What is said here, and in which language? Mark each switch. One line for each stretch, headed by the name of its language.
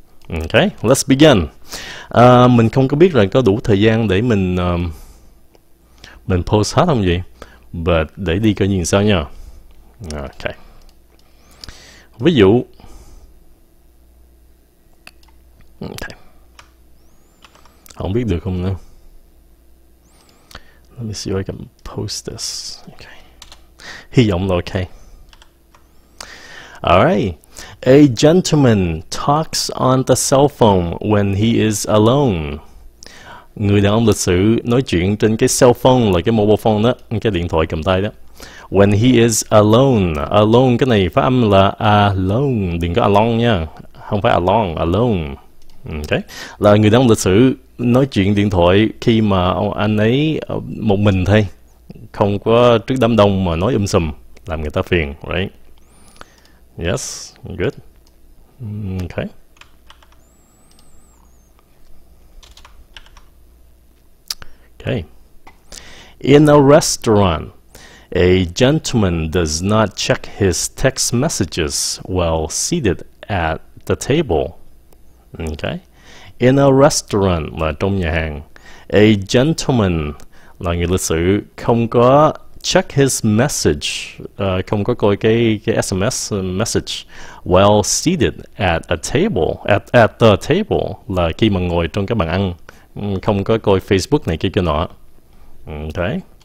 Vietnamese: Okay,
English: let's begin.
Vietnamese: Mình không có biết là có đủ thời gian để mình post hết không vậy? But để đi coi như sao nha. Okay. Ví dụ. Okay. Không biết được không nữa.
English: Let me see if I can post this. Okay.
Vietnamese: Hy vọng là okay.
English: All right. A gentleman talks on the cell phone when he is alone.
Vietnamese: Người đàn ông lịch sự nói chuyện trên cái cell phone là cái mobile phone đó, cái điện thoại cầm tay đó.
English: When he is alone,
Vietnamese: alone cái này phát âm là alone, đừng có along nha, không phải along, alone. Okay. Là người đàn ông lịch sự nói chuyện điện thoại khi mà anh ấy một mình thôi, không có trước đám đông mà nói sùm, làm người ta phiền, right?
English: Yes, good. Okay. Okay. In a restaurant, a gentleman does not check his text messages while seated at the table. Okay. In a restaurant
Vietnamese: là trong nhà hàng.
English: A gentleman
Vietnamese: là người lịch sự không có
English: check his message,
Vietnamese: không có coi cái SMS message
English: while seated at a table, at the table
Vietnamese: là khi mà ngồi trong cái bàn ăn, không có coi Facebook này kia nọ. Okay.